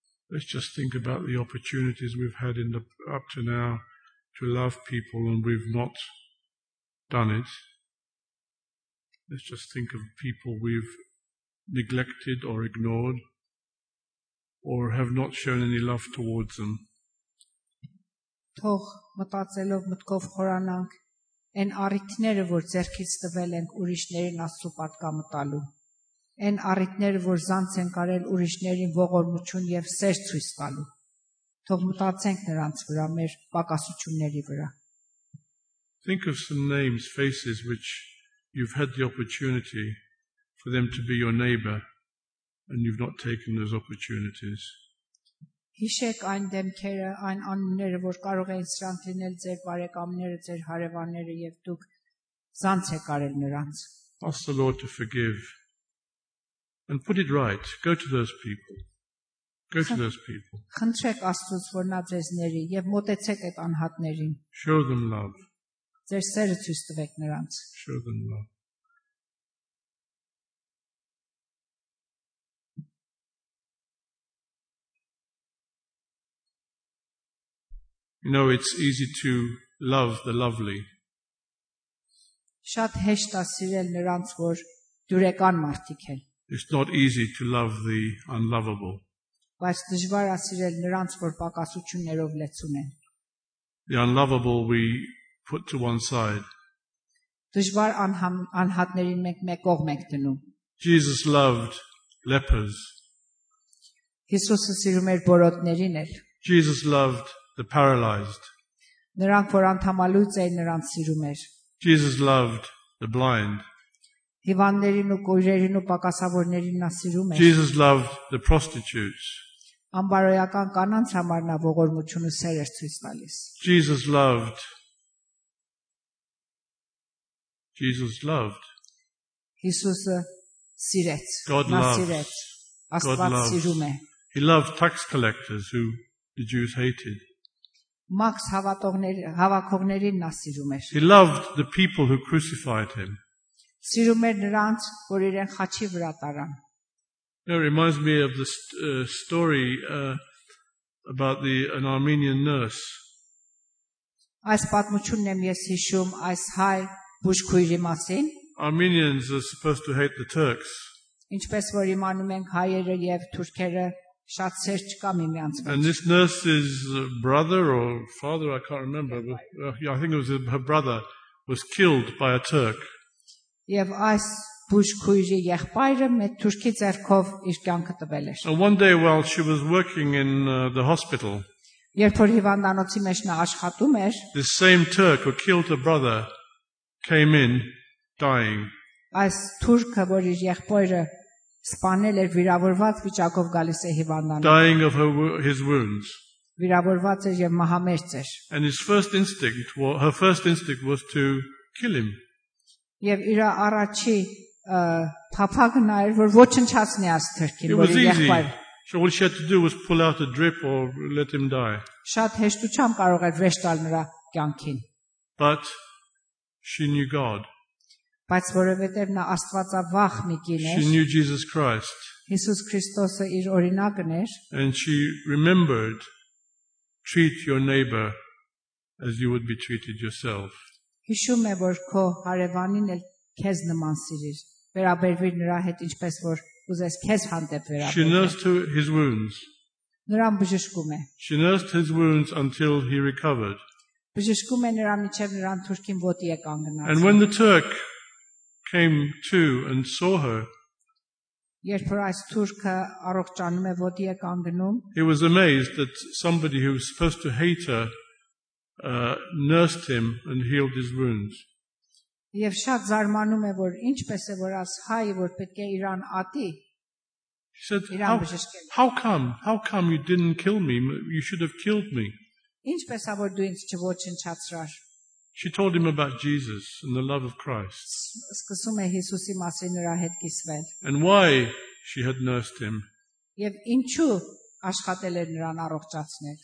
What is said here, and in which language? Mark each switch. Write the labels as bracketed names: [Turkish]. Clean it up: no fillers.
[English] Let's just think about the opportunities we've had in the up to now to love people and we've not done it. Let's just think of people we've neglected or ignored or have not shown any love towards them. [Armenian] Թող մտածելով մտքով խորանանք այն առիթները, որ ձեռքից տվել ենք ուրիշներին Աստծո պատկանը տալու։ Այն առիթները, որ զանց են կարել ուրիշներին ողորմություն եւ սեր ցույց տալու։ Թող մտածենք նրանց վրա, մեր պակասությունների վրա։ [English] Think of some names, faces which you've had the opportunity for them to be your neighbor and you've not taken those opportunities. [Armenian] Հիշեք այն դեմքերը, այն անունները, որ կարող էին սրանք լինել ձեր բարեկամները, ձեր հարևանները եւ դուք զանց եք արել նրանց։ [English] Ask the Lord to forgive. And put it right. Go to those people. Go to those people. [Armenian] Խնդրեք Աստծուց, որ նա ձեզ ների եւ մոտեցեք այդ անհատներին. [English] Show them love. [Armenian] Ձեր սերը ցույց տվեք նրանց. [English] Show them love. You know, it's easy to love the lovely. [Armenian] Շատ հեշտ է սիրել նրանց, որ դուրեկան մարդիկ են. [English] It's not easy to love the unlovable. [Armenian] Բայց դժվար է սիրել նրանց, որ պակասություններով լեցուն են. [English] The unlovable we put to one side. [Armenian] Դժվար անհատներին մենք մեկ կողմ ենք դնում. [English] Jesus loved lepers. [Armenian] Հիսուսը սիրում էր բորոդներին էլ. [English] Jesus loved the paralyzed. [Armenian] Նրանք որ անթամալուծ էին նրանց սիրում էր. [English] Jesus loved the blind. [Armenian] Հիվանդներին ու կոժերին ու պակասավորներին նա սիրում էր. [English] Jesus loved the prostitutes. [Armenian] Անբարոյական կանանց համար նա ողորմություն ու սեր էր ցույց տալիս. [English] Jesus loved. [Armenian] Հիսուսը սիրեց. [English] God loved. God loved. He loved tax collectors who the Jews hated. [Armenian] Մաքս հավաքողներին նա սիրում էր. [English] He loved the people who crucified him. [Armenian] Սիրում էր նրանց, որ իրեն խաչի վրա տարան. [English] It reminds me of the story about an Armenian nurse. [Armenian] Այս պատմությունն եմ ես հիշում այս հայ բուժքույրի մասին. [English] Armenians are supposed to hate the Turks. [Armenian] Ինչպես որ իմանում ենք հայերը եւ թուրքերը շատ սեր չկա միմյանց մեջ. [English] And this nurse's brother or father, I can't remember, but I think it was her brother, was killed by a Turk. [Armenian] Եվ այս բուժքույրի եղբայրը մեր թուրքի ձեռքով իր կյանքը տվել էր. [English] One day while she was working in the hospital, [Armenian] երբ որ հիվանդանոցի մեջ նա աշխատում էր, [English] the same Turk who killed her brother came in dying. [Armenian] Այս թուրքը, որ իր եղբայրը սպանել էր վիրավորված վիճակով գալիս է հիվանդանոց. [English] Dying of his wounds. [Armenian] Վիրավորված էր եւ մահամերց էր. [English] And her first instinct was to kill him. [Armenian] Եվ իր առաջի փափագն այր, որ ոչնչացնի այս թրքին, որ եղբայր. [English] So all she had to do was pull out a drip or let him die. [Armenian] Շատ հեշտությամբ կարող էր վեճ տալ նրա կյանքին. [English] But she knew God. [Armenian] Բայց որովհետև նա Աստվածավախ մի կին էր. [English] She knew Jesus Christ. [Armenian] Հիսուս Քրիստոսը իր օրինակն էր. [English] And she remembered, treat your neighbor as you would be treated yourself. [Armenian] Հիշում է, որ քո հարևանին էլ քեզ նման սիրիր, վերաբերվիր նրա հետ ինչպես որ ուզես քեզ հանդեպ վերաբերվի. [English] She nursed his wounds. [Armenian] Նրան բժշկում է. [English] She nursed his wounds until he recovered. [Armenian] Բժշկում է նրան մինչև նրան թուրքին ոտի է կանգնած. [English] And when the Turk came to and saw her, [Armenian] երբ այս թուրքը առողջանում է ոտի է կանգնում, [English] he was amazed that somebody who was supposed to hate her nursed him and healed his wounds. [Armenian] Եվ շատ զարմանում է, որ ինչպես է, որ աս հայը, որ պետք է իրան ատի, իրան բժշկել։ [English] How come you didn't kill me? You should have killed me. [Armenian] Ինչպես է, որ դու ինձ չոչնչացրար։ [English] She told him about Jesus and the love of Christ. [Armenian] Սկսում է Հիսուսի մասին նրա հետ կիսվել։ [English] And why she had nursed him. [Armenian] Եվ ինչու աշխատել էր նրան առողջացնել։